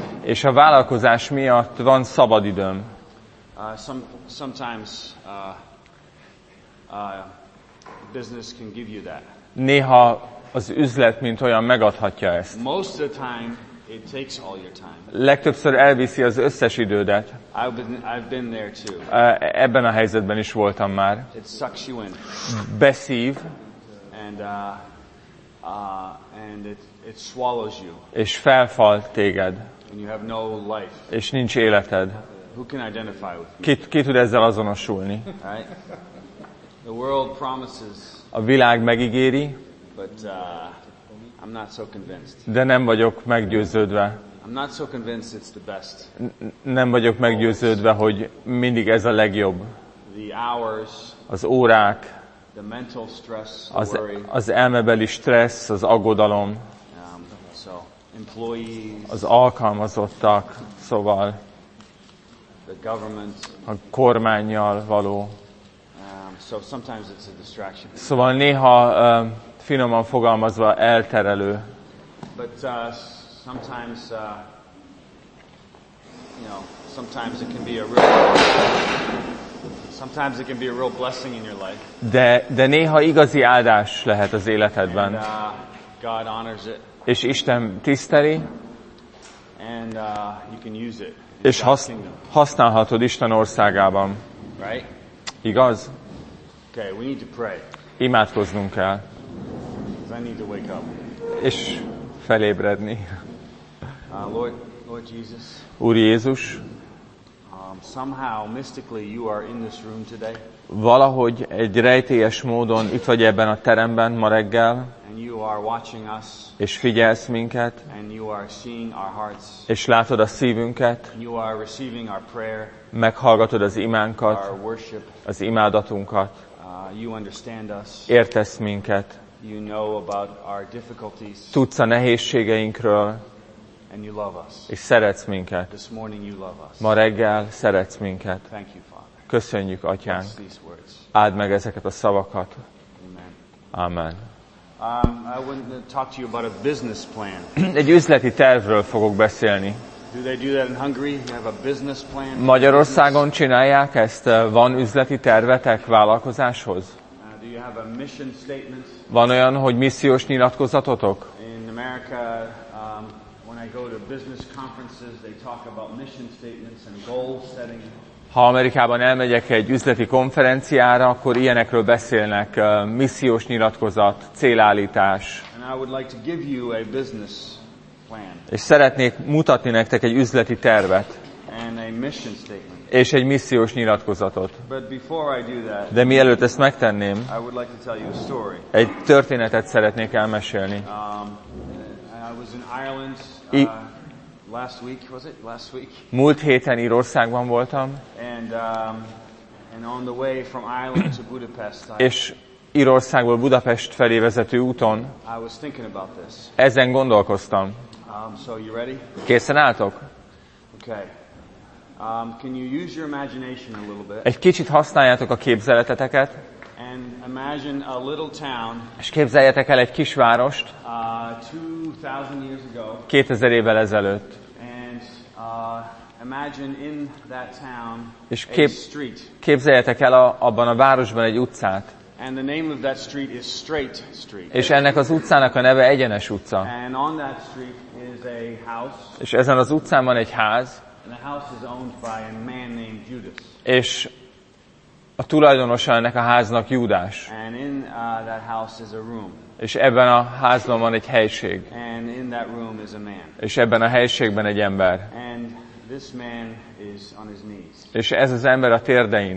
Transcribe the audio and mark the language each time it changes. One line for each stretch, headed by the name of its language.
Hungarian: És a vállalkozás miatt van szabad időm.
English: Sometimes business can give you that.
Hungarian: Néha az üzlet mint olyan megadhatja ezt.
English: Most of the time it takes all your time.
Hungarian: Legtöbbször elviszi az összes idődet.
English: I've been there too.
Hungarian: Ebben a helyzetben is voltam már.
English: It sucks you in.
Hungarian: Beszív.
English: And it swallows you.
Hungarian: És felfal téged.
English: And you have no life.
Hungarian: És nincs életed.
English: Who can identify with you?
Hungarian: Ki tud ezzel azonosulni?
English: Right? The world promises.
Hungarian: A világ megígéri.
English: But I'm not so convinced.
Hungarian: De nem vagyok meggyőződve.
English: I'm not so convinced it's the best.
Hungarian: Nem vagyok meggyőződve, hogy mindig ez a legjobb.
English: The hours,
Hungarian: az órák,
English: the mental stress, the worry,
Hungarian: az elmebeli stressz, az aggodalom,
English: so employees,
Hungarian: az alkalmazottak, szóval
English: the government,
Hungarian: a kormánnyal való.
English: So sometimes it's a distraction.
Hungarian: Szóval néha finoman fogalmazva elterelő.
English: But sometimes you know, sometimes it can be a real blessing in your life.
Hungarian: De néha igazi áldás lehet az életedben.
English: And, God honors it.
Hungarian: És Isten tiszteli.
English: And you can use it.
Hungarian: És használhatod Isten országában.
English: Right?
Hungarian: Igaz?
English: Okay, we need to pray.
Hungarian: Imádkoznunk kell.
English: I need to wake up.
Hungarian: És felébredni.
English: Lord Jesus.
Hungarian: Úr Jézus.
English: Somehow mystically you are in this room today.
Hungarian: Valahogy egy rejtélyes módon itt vagy ebben a teremben ma reggel.
English: And you are watching us.
Hungarian: És figyelsz minket.
English: And you are seeing our hearts.
Hungarian: És látod a szívünket.
English: You are receiving our prayer.
Hungarian: Meghallgatod az imánkat.
English: Our worship.
Hungarian: Az imádatunkat.
English: You understand us.
Hungarian: Értesz minket.
English: You know about our difficulties.
Hungarian: Tudsz a nehézségeinkről.
English: And you love us.
Hungarian: És szeretsz minket.
English: This morning you love us.
Hungarian: Ma reggel szeretsz minket.
English: Thank you, Father.
Hungarian: Köszönjük, Atyánk.
English: Bless these words.
Hungarian: Áld meg ezeket a szavakat.
English: Amen.
Hungarian: Amen.
English: I want to talk to you about a business plan.
Hungarian: Egy üzleti tervről fogok beszélni.
English: Do they do that in Hungary? You have a business plan?
Hungarian: Magyarországon csinálják ezt? Van üzleti tervetek vállalkozáshoz?
English: Do you have a mission statement?
Hungarian: Van olyan, hogy missziós nyilatkozatotok?
English: In America, when I go to business conferences, they talk about mission statements and goal setting.
Hungarian: Ha Amerikában elmegyek egy üzleti konferenciára, akkor ilyenekről beszélnek, missziós nyilatkozat, célállítás.
English: And I would like to give you a business plan.
Hungarian: És szeretnék mutatni nektek egy üzleti tervet.
English: And a mission statement.
Hungarian: És egy missziós nyilatkozatot.
English: But before I do that,
Hungarian: de mielőtt ezt megtenném,
English: I would like to tell you a story.
Hungarian: Egy történetet szeretnék elmesélni.
English: I was in Ireland. Last week, was it? Last week.
Hungarian: Múlt héten Írországban voltam.
English: And on the way from Ireland to Budapest.
Hungarian: És Írországból Budapest felé vezető úton.
English: I was thinking about this.
Hungarian: Ezen gondolkoztam.
English: So you ready?
Hungarian: Készen álltok?
English: Okay. Can you use your imagination a little bit?
Hungarian: Egy kicsit használjátok a képzeleteteket.
English: And imagine a little town.
Hungarian: És képzeljétek el egy kisvárost.
English: 2000 years ago.
Hungarian: 2000 évvel ezelőtt.
English: And imagine in that town a street.
Hungarian: Képzeljétek el abban a városban egy utcát.
English: And the name of that street is Straight Street.
Hungarian: És ennek az utcának a neve Egyenes utca.
English: And on that street is a house.
Hungarian: És ezen az utcán van egy ház.
English: And the house is owned by a man named Judas.
Hungarian: És a tulajdonosa ennek a háznak Júdás.
English: And in that house is a room.
Hungarian: És ebben a házban van egy helység.
English: And in that room is a man.
Hungarian: És ebben a helységben egy ember.
English: And this man is on his knees.
Hungarian: És ez az ember a térdein.